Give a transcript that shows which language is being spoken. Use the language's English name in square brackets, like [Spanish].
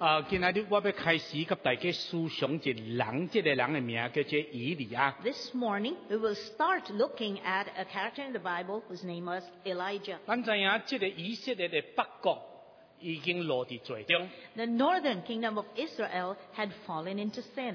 [Min Nan Chinese] 今天我要开始跟大家思想一人，这个人的名叫做以利亚。 [English] This morning, we will start looking at a character in the Bible whose name was Elijah. [Min Nan Chinese] 咱知影这个以色列的北国。 [English] The northern kingdom of Israel had fallen into sin.